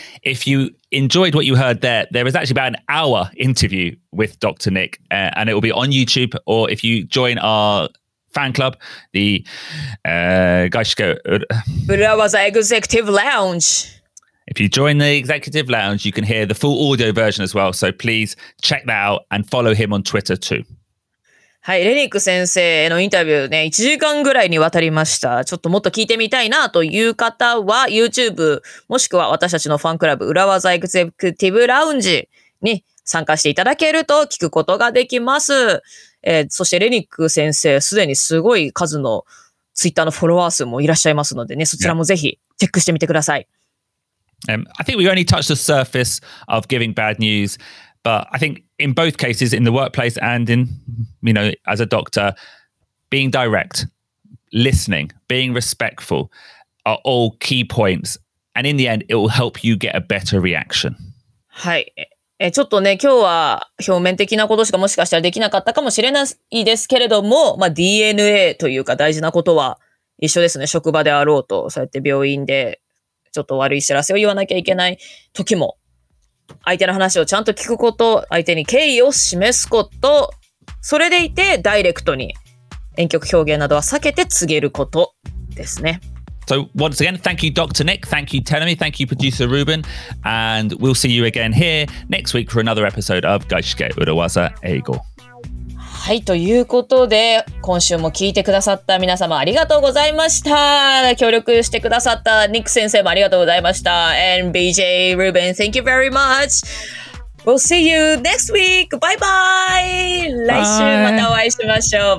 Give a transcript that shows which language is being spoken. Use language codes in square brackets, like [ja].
[en] If you enjoyed what you heard there is actually about an hour interview with Dr. Nick, and it will be on YouTube, or if you join our fan club, the Gaishike Urawaza Executive Lounge. If you join the Executive Lounge, you can hear the full audio version as well. So please check that out and follow him on Twitter too. [ja] はい、レニック先生へのインタビューね、1時間ぐらいにわたりました。ちょっともっと聞いてみたいなという方は、YouTube、もしくは私たちのファンクラブ、裏技エグゼクティブラウンジに参加していただけると聞くことができます。そしてレニック先生、すでにすごい数の Twitter のフォロワー数もいらっしゃいますのでね、そちらもぜひチェックしてみてください。 [en] I think we only touched the surface of giving bad news. But I think in both cases, in the workplace and in, you know, as a doctor, being direct, listening, being respectful are all key points. And in the end, it will help you get a better reaction. [ja] はい。ちょっとね、今日は表面的なことしかもしかしたらできなかったかもしれないですけれども、まあ、DNA というか大事なことは一緒ですね。職場であろうと、そうやって病院でちょっと悪い知らせを言わなきゃいけない時も、相手の話をちゃんと聞くこと、相手に敬意を示すこと、それでいてダイレクトに婉曲表現などは避けて告げることですね。 [en] So once again, thank you Dr. Nick, thank you Telemi, thank you producer Ruben, and we'll see you again here next week for another episode of Gaishike Urawaza Eigo. [ja] はい、ということで今週も聞いてくださった皆様ありがとうございました。協力してくださったニック先生もありがとうございました。 [en] And BJ Ruben, thank you very much. We'll see you next week. Bye bye. [ja] 来週またお会いしましょう。